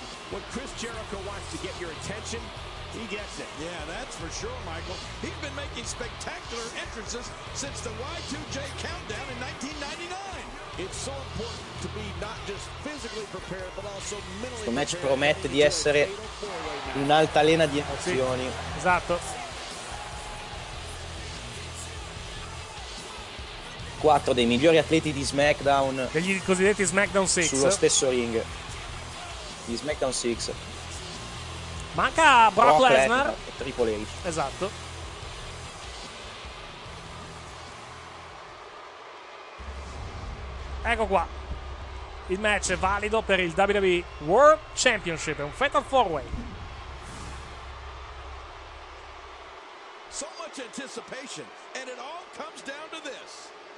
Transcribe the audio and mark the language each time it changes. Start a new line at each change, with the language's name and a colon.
English: When Chris Jericho wants to get your attention, he gets it. Yeah, that's for sure, Michael. He's been making spectacular entrances since the Y2J countdown in 1999. It's so important to be not just physically prepared, but also mentally prepared.
Italian: Questo match promette di essere un'altalena di emozioni. Sì, esatto. 4 dei migliori atleti di SmackDown, degli cosiddetti SmackDown 6, sullo stesso ring di SmackDown 6. Manca Brock Lesnar e Triple H. Esatto. Ecco qua. Il match è valido per il WWE World Championship. È un Fatal 4-Way.
English: So much anticipation, and it all comes down to this.